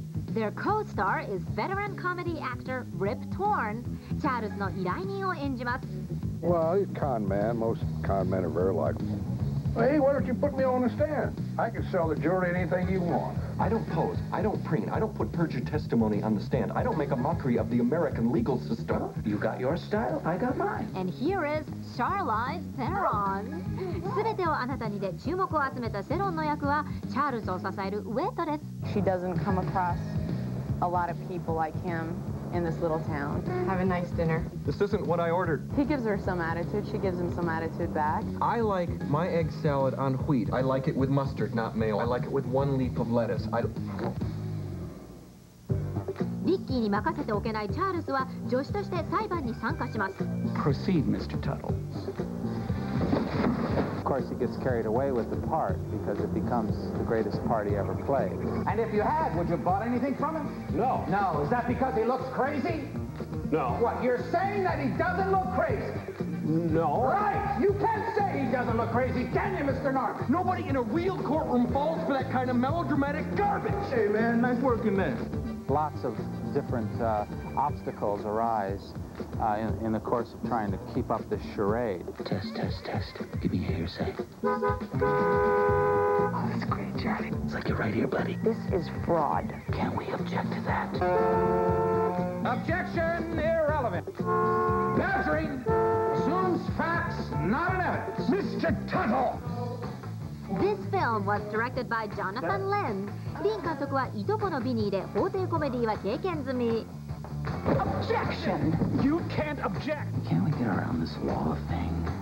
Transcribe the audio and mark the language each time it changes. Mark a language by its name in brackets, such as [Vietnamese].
[English] Their co-star is veteran comedy actor Rip Torn. [Japanese] チャールズの依頼人を演じます。 [English] Well, he's a con man. Most con men are very like him. Hey, why don't you put me on the stand? I can sell the jury anything you want. I don't pose. I don't preen. I don't put perjured testimony on the stand. I don't make a mockery of the American legal system. You got your style, I got mine. And here is Charlize Theron. [Japanese] すべてをあなたにで注目を集めたセロンの役は、チャールズを支えるウェイトです。 [English] She doesn't come across a lot of people like him. In this little town. Have a nice dinner. This isn't what I ordered. He gives her some attitude. She gives him some attitude back. I like my egg salad on wheat. I like it with mustard, not mayo. I like it with one leaf of lettuce. I don't... [Japanese] リッキーに任せておけないチャールズは助手として裁判に参加します。 [English] Proceed, Mr. Tuttle. Of course, he gets carried away with the part because it becomes the greatest part he ever played. And if you had, would you have bought anything from him? No. No. Is that because he looks crazy? No. What, you're saying that he doesn't look crazy? No. Right. You can't say he doesn't look crazy, can you, Mr. Narc? Nobody in a real courtroom falls for that kind of melodramatic garbage. Hey, man, nice working, man. Lots of different obstacles arise. In the course of trying to keep up the charade. Test, test, test. Give me your hearsay. Oh, that's great, Charlie. It's like you're right here, buddy. This is fraud. Can't we object to that? Objection irrelevant. Perjury assumes facts, not an evidence. Mr. Tuttle! This film was directed by Jonathan Lynn. [Japanese] リン監督はいとこのビニーで法廷コメディは経験済み。 [English] Objection! You can't object! Can't we get around this wall of thing?